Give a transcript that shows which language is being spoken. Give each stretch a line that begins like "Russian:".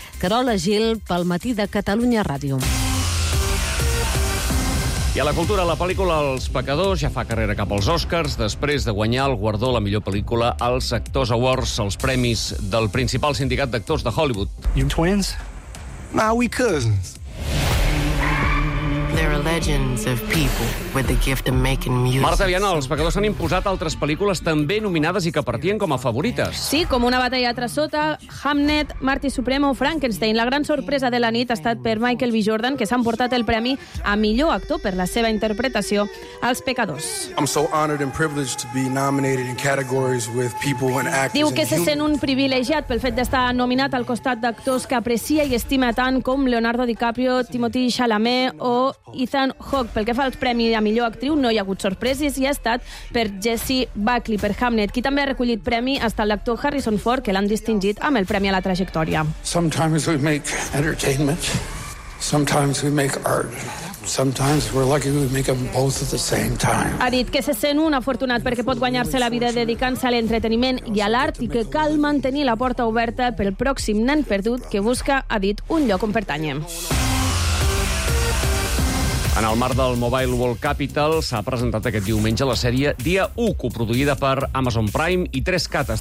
Catalan: Carola Gil, pel matí de Catalunya Ràdio. I a la cultura, la pel·lícula Els Pecadors ja fa carrera cap als Oscars després de guanyar el guardó la millor pel·lícula als Actors Awards, els premis del principal sindicat d'actors de Hollywood.
English: You twins? Nah, we cousins. There are legends of people with the gift of making music.
Catalan: Marta Viana, Els Pecadors han imposat altres pel·lícules també nominades i que partien com a favorites. Sí, com Una batalla trasota, Hamnet, Marty Supremo o Frankenstein. La gran sorpresa de la nit ha estat per Michael B. Jordan, que s'ha emportat el premi a millor actor per la seva interpretació als Pecadors.
English: I'm so honored and privileged to be nominated in categories with people and actors.
Catalan: Diu que se sent un privilegiat pel fet d'estar nominat al costat d'actors que aprecia i estima tant com Leonardo DiCaprio, Timothée Chalamet o Ethan Hawke. Pel que fa al premi a millor actriu, no hi ha hagut sorpreses i ha estat per Jesse Buckley, per Hamnet. Qui també ha recollit premi ha estat l'actor Harrison Ford, que l'han distingit amb el premi a la trajectòria.
English: Sometimes we make entertainment, sometimes we make art. Sometimes we're lucky we make them both at the same time.
Catalan: Ha dit que se sent un afortunat perquè pot guanyar-se la vida dedicant-se a l'entreteniment i a l'art i que cal mantenir la porta oberta pel pròxim nen perdut que busca, ha dit, un lloc on pertanyem. En el marc del Mobile World Capital s'ha presentat aquest diumenge la sèrie Dia 1, coproduïda per Amazon Prime i 3Cat.